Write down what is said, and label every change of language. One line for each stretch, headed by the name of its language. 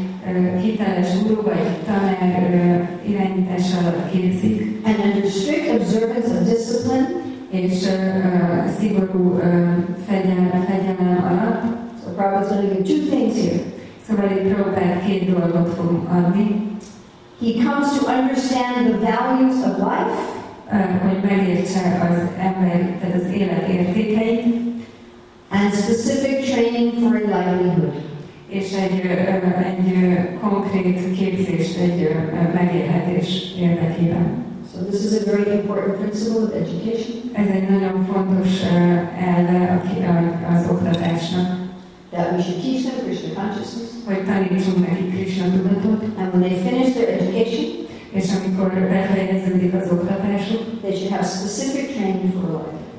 Hungarian: Hiteles guru vagy tanár irányítás alatt képzik,
English: and under strict observance of discipline.
Hungarian: És szigorú fegyelem alatt.
English: So Prabhupada's going to give two things here.
Hungarian: Szóval itt Prabhupada két dolgot fog adni.
English: He comes to understand the values of life.
Hungarian: Hogy megértse az ember, tehát az élet értékeit.
English: And specific training for livelihood.
Hungarian: És egy konkrét képzést, egy megélhetés érdekében.
English: So this is a very important principle of education.
Hungarian: Ez egy nagyon fontos elve az oktatásnak.
English: That we should teach them Krishna consciousness.
Hungarian: Hogy tanítsunk nekik Krishna tudatot.
English: And when they finish their education,
Hungarian: és amikor befejeződik az oktatásuk,
English: they should have specific training for life.